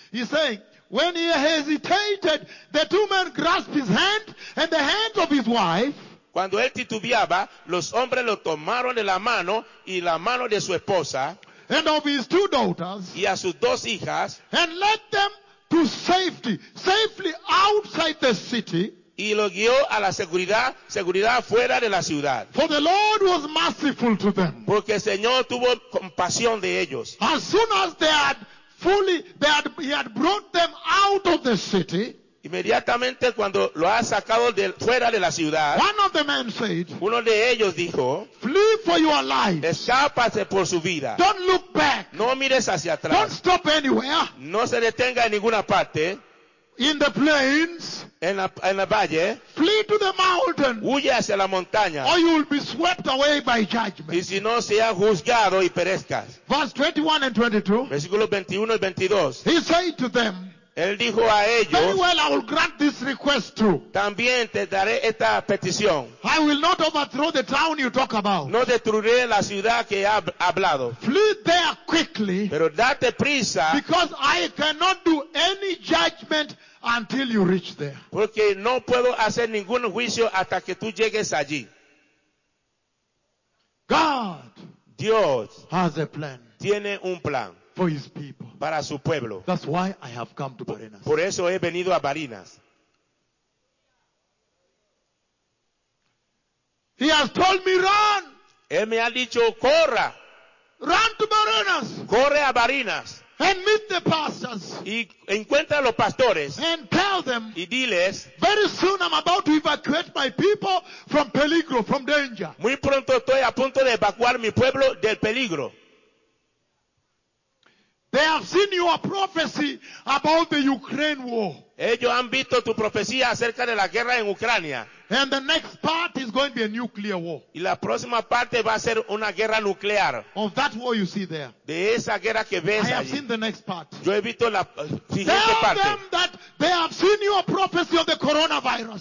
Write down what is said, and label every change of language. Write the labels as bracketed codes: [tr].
[en] He's saying, when he hesitated, the two men grasped his hand and the hand of his wife. [es] Cuando él titubeaba, los hombres lo tomaron de la mano y la mano de su esposa. [en] And of his two daughters. [es] Y a sus dos hijas. [en] And led them to safety, safely outside the city. [es] Y lo guió a la seguridad, seguridad fuera de la ciudad. [en] For the Lord was merciful to them. [es] Porque el Señor tuvo compasión de ellos. [en] As soon as he had brought them out of the city. [es] Inmediatamente cuando lo ha sacado de fuera de la ciudad. [en] One of the men said, [es] uno de ellos dijo, [en] flee for your life. [es] Escápate por su vida. [en] Don't look back. [es] No mires hacia atrás. [en] Don't stop anywhere. [es] No se detenga en ninguna parte. [en] In the plains, [es] en la valle, [en] flee to the mountain, [es] huye hacia la montaña, [en] or you will be swept away by judgment. [es] Y si no, sea juzgado y perezcas. [en] Verse 21 and 22. [es] Versículo 21 y 22. [en] He said to them, [es] él dijo a ellos, [en] very well, I will grant this request too. [es] También te daré esta petición. [en] I will not overthrow the town you talk about. [es] No destruiré la ciudad que ha hablado. [en] Flee there quickly. [es] Pero date prisa. [en] Because I cannot do any judgment until you reach there. [es] Porque no puedo hacer ningún juicio hasta que tú llegues allí. [en] God, [es] Dios, [en] has a plan. [es] Tiene un plan. [en] For his people. [es] Para su pueblo. [en] That's why I have come to Barinas. [es] Por eso he venido a Barinas. [en] He has told me run. [es] Él me ha dicho corra. [en] Run to Barinas. [es] Corre a Barinas. [en] And meet the pastors. [es] Y encuentra a los pastores. [en] And tell them. [es] Y diles. [en] Very soon I'm about to evacuate my people from peligro, from danger. [es] Muy pronto estoy a punto de evacuar mi pueblo del peligro. [en] They have seen your prophecy about the Ukraine war. [es] Ellos han visto tu profecía acerca de la guerra en Ucrania. [en] And the next part is going to be a nuclear war. [es] Y la próxima parte va a ser una guerra nuclear. [en] Of that war you see there. [es] De esa guerra que ves allí. [en] I have [es] allí. [en] Seen the next part. [es] Yo he visto la siguiente [en] tell [es] parte. [en] Them that they have seen your prophecy of the coronavirus.